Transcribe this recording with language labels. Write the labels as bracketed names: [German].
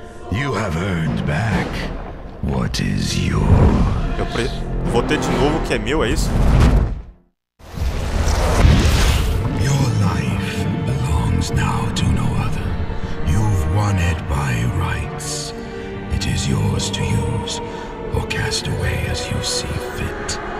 [English] You have earned back what is yours. [Portuguese] Eu vou ter de novo o que é meu, é isso? [English] Your life belongs now to no other. You've won it by rights. It is yours to use or cast away as you see fit.